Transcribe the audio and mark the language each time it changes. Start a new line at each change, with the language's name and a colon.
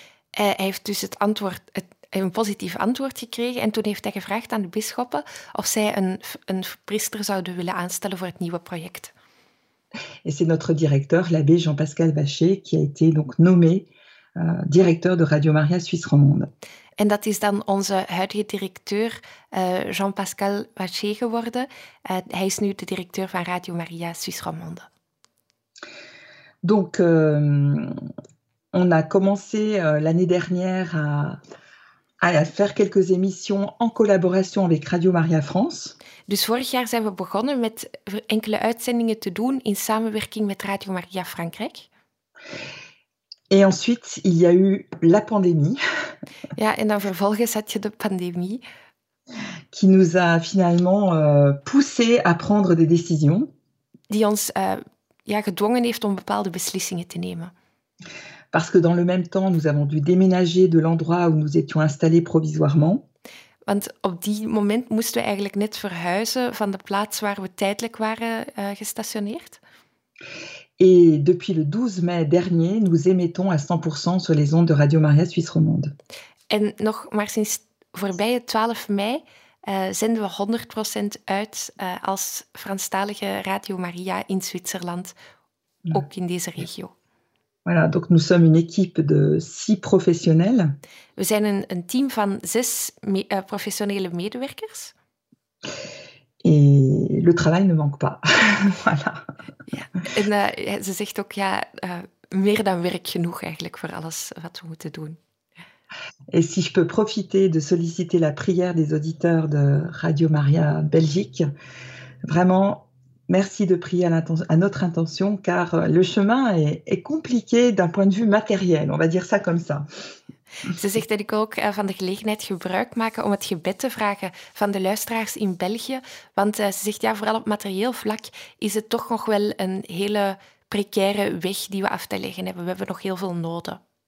Dutch: Hij heeft dus een positief antwoord gekregen en toen heeft hij gevraagd aan de bisschoppen of zij een priester zouden willen aanstellen voor het nieuwe project.
French: Et c'est notre directeur, l'abbé Jean-Pascal Vacher, qui a été donc nommé directeur de Radio Maria Suisse Romande.
Dutch: En dat is dan onze huidige directeur Jean-Pascal Vacher geworden. Hij is nu de directeur van Radio Maria Suisse Romande.
French: Donc, on a commencé l'année dernière à faire quelques émissions en collaboration avec Radio Maria France.
Dutch: Dus vorig jaar zijn we begonnen met enkele uitzendingen te doen in samenwerking met Radio Maria Frankrijk.
French: Et ensuite, il y a eu la pandémie.
Dutch: Ja, en dan vervolgens had je de pandémie.
French: Qui nous a finalement poussé à prendre des décisions.
Dutch: Die ons gedwongen heeft om bepaalde beslissingen te nemen.
French: Parce que dans le même temps, nous avons dû déménager de l'endroit où nous étions installés provisoirement.
Dutch: Want op die moment moesten we eigenlijk net verhuizen van de plaats waar we tijdelijk waren gestationeerd.
French: Et depuis le 12 mai dernier, nous émettons à 100% sur les ondes de Radio Maria Suisse Romande.
Dutch: En nog maar sinds voorbij het 12 mei zenden we 100% uit als Franstalige Radio Maria in Zwitserland, ook in deze regio.
French: Voilà, donc nous sommes une équipe de 6 professionnels.
Dutch: We zijn een team van 6 professionele medewerkers.
French: Et le travail ne manque pas. Voilà.
Dutch: Ja. En ze zegt ook, meer dan werk genoeg eigenlijk voor alles wat we moeten doen.
French: Et si je peux profiter de solliciter la prière des auditeurs de Radio Maria Belgique, vraiment... Merci de prier à notre intention, car le chemin est compliqué d'un point de vue matériel, on va dire ça comme ça.
Dutch: Ze zegt dat ik ook van de gelegenheid gebruik maken om het gebed te vragen van de luisteraars in België, want ze zegt vooral op materieel vlak is het toch nog wel een hele precaire weg die we af te leggen hebben. We hebben nog heel veel noden.